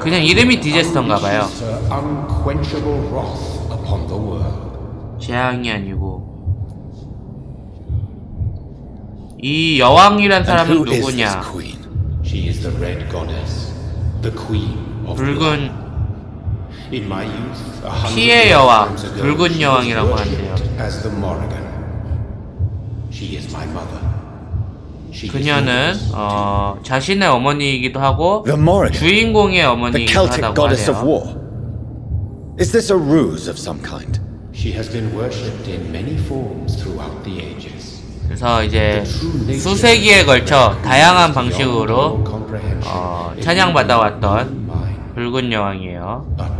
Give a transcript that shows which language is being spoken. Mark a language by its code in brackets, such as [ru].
[ko] 그냥 이름이 디제스터인가 봐요. [en] Unquenchable wrath upon the world. [ko] 재앙이 아니고. 이 여왕이란 사람은 누구냐? [en] She is the red goddess, the queen of the. In my youth, a hundred years ago, she was worshipped as the Morrigan. She is my mother. [ko] She 그녀는 자신의 어머니이기도 하고 주인공의 어머니이기도 하다고 하네요. [en] The Celtic goddess of war. Is this a ruse of some kind? She has been worshipped in many forms throughout the ages. [ko] 그래서 이제 수세기에 걸쳐 다양한 방식으로 찬양받아왔던 붉은 여왕이에요.